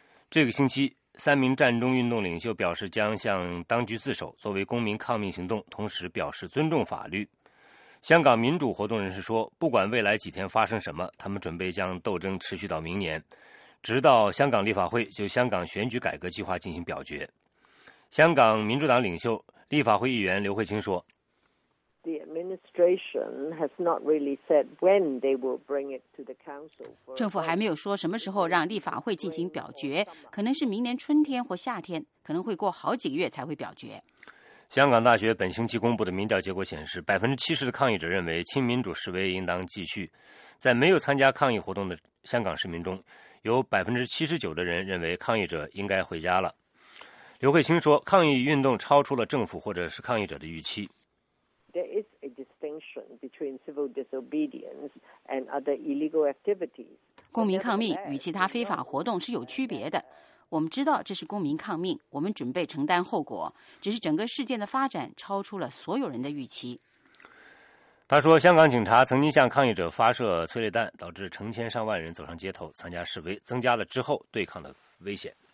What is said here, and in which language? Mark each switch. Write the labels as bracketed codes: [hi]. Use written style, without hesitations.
[zh] 这个星期三名占中运动领袖表示将向当局自首，作为公民抗命行动，同时表示尊重法律。香港民主活动人士说，不管未来几天发生什么，他们准备将斗争持续到明年，直到香港立法会就香港选举改革计划进行表决。香港民主党领袖、立法会议员刘慧卿说 [en] ：“The administration has not really said when they will bring it to the council. [zh] 政府还没有说什么时候让立法会进行表决，可能是明年春天或夏天，可能会过好几个月才会表决。” 香港大学本星期公布的民调结果显示，70%的抗议者认为亲民主示威应当继续。在没有参加抗议活动的香港市民中，有79%的人认为抗议者应该回家了。刘慧卿说，抗议运动超出了政府或者是抗议者的预期。 [en] There is a distinction between civil disobedience and other illegal activities. [zh] 公民抗命与其他非法活动是有区别的。我们知道这是公民抗命，我们准备承担后果，只是整个事件的发展超出了所有人的预期。他说香港警察曾经向抗议者发射催泪弹，导致成千上万人走上街头参加示威，增加了之后对抗的危险。